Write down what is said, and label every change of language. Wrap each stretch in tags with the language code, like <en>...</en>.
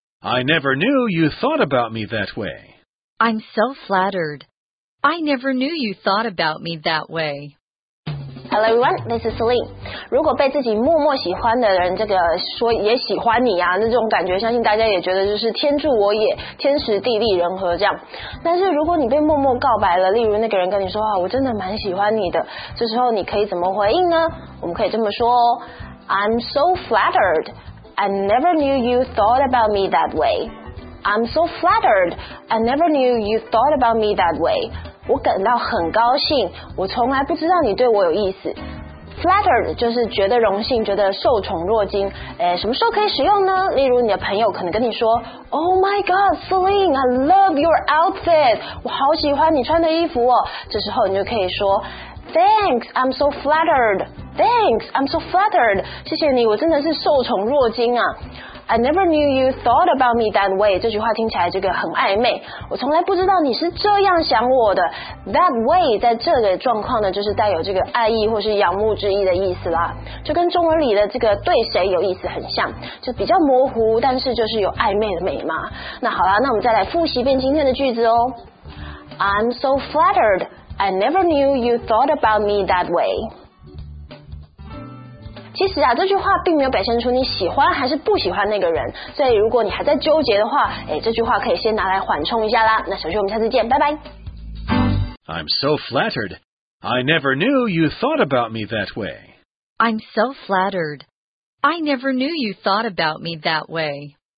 <en>I never knew you thought about me that way. I'm so flattered. I never knew you thought about me that way. Hello everyone, this is Celine.</en> <zh>如果被自己默默喜欢的人这个说也喜欢你啊，那这种感觉相信大家也觉得就是天助我也，天时地利人和这样。但是如果你被默默告白了，例如那个人跟你说啊，我真的蛮喜欢你的，这时候你可以怎么回应呢？我们可以这么说哦，</zh> <en>I'm so flattered, I never knew you thought about me that way. I'm so flattered, I never knew you thought about me that way.</en> <zh>我感到很高兴，我从来不知道你对我有意思。 Flattered 就是觉得荣幸，觉得受宠若惊。诶，什么时候可以使用呢？例如你的朋友可能跟你说 ，</zh> <en>Oh my God, Celine, I love your outfit，</en> <zh>我好喜欢你穿的衣服哦。这时候你就可以说 ，</zh> <en>Thanks, I'm so flattered. Thanks, I'm so flattered.</en> <zh>谢谢你，我真的是受宠若惊啊。</zh> <en>I never knew you thought about me that way.</en> <zh>这句话听起来这个很暧昧。我从来不知道你是这样想我的。 That way 在这个状况呢，就是带有这个爱意或是仰慕之意的意思啦。就跟中文里的这个对谁有意思很像，就比较模糊，但是就是有暧昧的美嘛。那好啦，那我们再来复习一遍今天的句子哦。</zh> <en>I'm so flattered. I never knew you thought about me that way.</en> <zh>其实啊，这句话并没有表现出你喜欢还是不喜欢那个人，所以如果你还在纠结的话，哎，这句话可以先拿来缓冲一下啦。那小旭，我们下次见，拜拜。</zh> <en>I'm so flattered. I never knew you thought about me that way. I'm so flattered. I never knew you thought about me that way.</en>